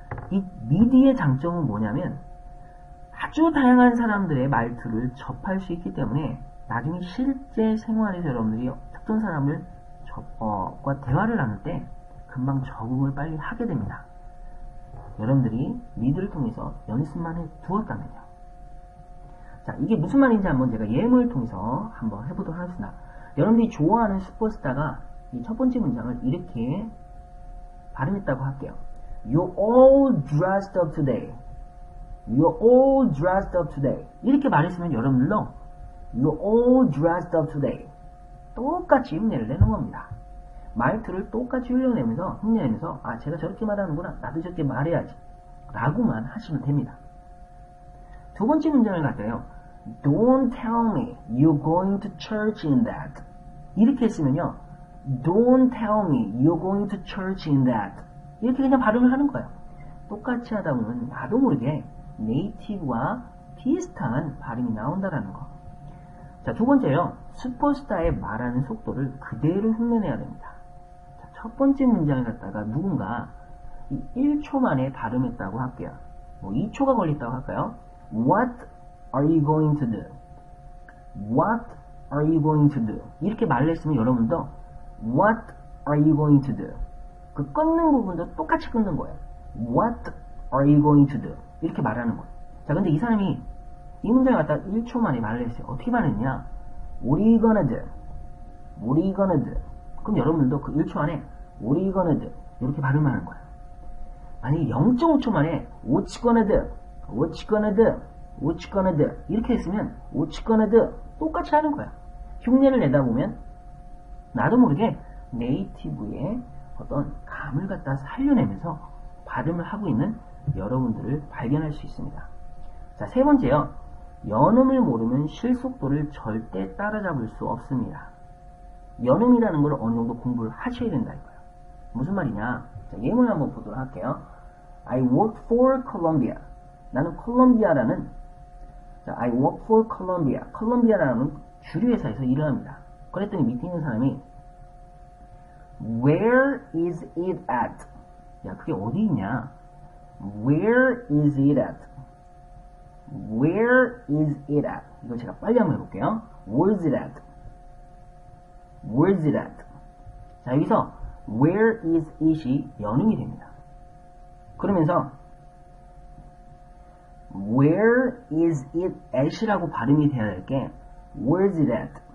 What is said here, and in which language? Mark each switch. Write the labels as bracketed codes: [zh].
[ko] 이 미디의 장점은 뭐냐면 아주 다양한 사람들의 말투를 접할 수 있기 때문에 나중에 실제 생활에서 여러분들이 특정 사람을 접과 대화를 나눌 때 금방 적응을 빨리 하게 됩니다. 여러분들이 미드를 통해서 연습만 해두었다면요. 자, 이게 무슨 말인지 한번 제가 예문을 통해서 한번 해보도록 하겠습니다. 여러분들이 좋아하는 슈퍼스타가 이 첫 번째 문장을 이렇게 발음했다고 할게요. [en] You're all dressed up today. You're all dressed up today. [ko] 이렇게 말했으면 여러분들도 [en] You're all dressed up today. [ko] 똑같이 흉내를 내는 겁니다. 말투를 똑같이 흘려내면서 흉내내면서 아, 제가 저렇게 말하는구나, 나도 저렇게 말해야지 라고만 하시면 됩니다. 두 번째 문장을 갖다요, [en] Don't tell me you're going to church in that. [ko] 이렇게 했으면요, [en] Don't tell me you're going to church in that. [ko] 이렇게 그냥 발음을 하는 거예요. 똑같이 하다 보면 나도 모르게 네이티브와 비슷한 발음이 나온다라는 거. 자, 두 번째요, 슈퍼스타의 말하는 속도를 그대로 흉내내야 됩니다. 자, 첫 번째 문장을 갖다가 누군가 1초 만에 발음했다고 할게요. 뭐 2초가 걸렸다고 할까요? [en] What are you going to do? What are you going to do? [ko] 이렇게 말을 했으면 여러분도 [en] What are you going to do? [ko] 그 끊는 부분도 똑같이 끊는 거예요. [en] What are you going to do? [ko] 이렇게 말하는 거예요. 자, 근데 이 사람이 이 문장을 갖다 1초 만에 말을 했어요. 어떻게 말했냐? [en] What are you gonna do? What are you gonna do? [ko] 그럼 여러분들도 그 1초 안에 [en] What are you gonna do? [ko] 이렇게 발음하는 거예요. 만약에 0.5초 만에 [en] What you gonna do? What you gonna do? What you gonna do? [ko] 이렇게 했으면 [en] What you gonna do? [ko] 똑같이 하는 거야. 흉내를 내다 보면 나도 모르게 네이티브의 어떤 감을 갖다 살려내면서 발음을 하고 있는 여러분들을 발견할 수 있습니다. 자, 세 번째요, 연음을 모르면 실속도를 절대 따라잡을 수 없습니다. 연음이라는 걸 어느 정도 공부를 하셔야 된다 이거예요. 무슨 말이냐? 자, 예문을 한번 보도록 할게요. [en] I work for Columbia. [ko] 나는 콜롬비아라는 [en] I work for Columbia. [ko] 콜롬비아라는 주류 회사에서 일을 합니다. 그랬더니 밑에 있는 사람이 [en] Where is it at? [ko] 야, 그게 어디 있냐? [en] Where is it at? Where is it at? [ko] 이거 제가 빨리 한번 해볼게요. [en] Where is it at? Where is it at? [ko] 자, 여기서 Where is it이 연음이 됩니다. 그러면서 [en] Where is it at [ko] 이라고 발음이 되어야 될 게 [en] Where is it at?